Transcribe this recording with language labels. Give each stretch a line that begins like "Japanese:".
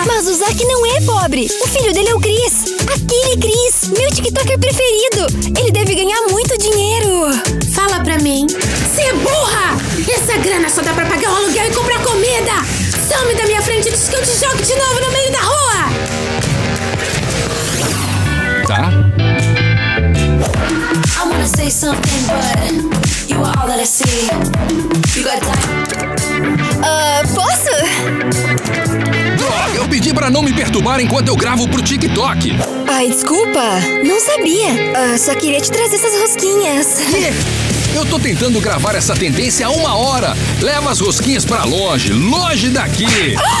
Portuguese: Mas o Zack não é pobre. O filho dele é o Chris. Aquele Chris, meu TikToker preferido. Ele deve ganhar muito dinheiro. Fala pra mim. Você é burra! Essa grana só dá pra pagar o aluguel e comprar comida. Some da minha frente antes que eu te jogue de novo no meio da rua. Tá?
English: I wanna say something, but you are all that I see. You got time?
Portuguese: Posso? Droga, eu pedi pra não me perturbar enquanto eu gravo pro TikTok. Ai, desculpa, não sabia. Só queria te trazer essas rosquinhas. Eu tô tentando gravar essa tendência há uma hora. Leva as rosquinhas pra longe, longe daqui.